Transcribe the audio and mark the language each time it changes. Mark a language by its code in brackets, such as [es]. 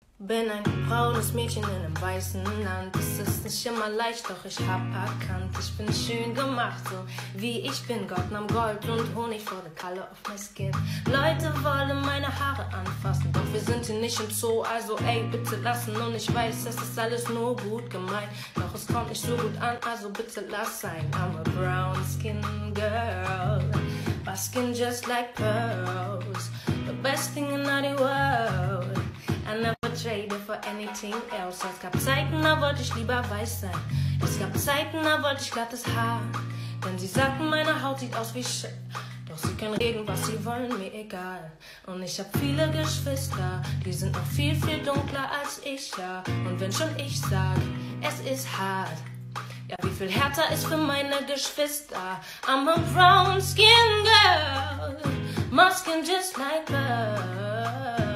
[de] Bin ein braunes Mädchen in einem weißen Land. Das ist nicht immer leicht, doch ich hab erkannt. Ich bin schön gemacht, so wie ich bin. Gott nahm Gold und Honig [en] for the color of my skin. [de] Leute wollen meine Haare anfassen, doch wir sind hier nicht im Zoo. Also ey, bitte lassen. Und ich weiß, es ist alles nur gut gemeint, doch es kommt nicht so gut an. Also bitte lass sein. [en] I'm a brown skin girl, basking just like pearls. The best thing in all the world. I never trade for anything else. [de] Es gab Zeiten, da wollte ich lieber weiß sein. Es gab Zeiten, da wollte ich glattes Haar. Denn sie sagten, meine Haut sieht aus wie Shit. Doch sie können reden, was sie wollen, mir egal. Und ich hab viele Geschwister, die sind noch viel, viel dunkler als ich, ja. Und wenn schon ich sag, es ist hart. Ja, wie viel härter ist für meine Geschwister? [en] I'm a brown skin girl, my skin just like her.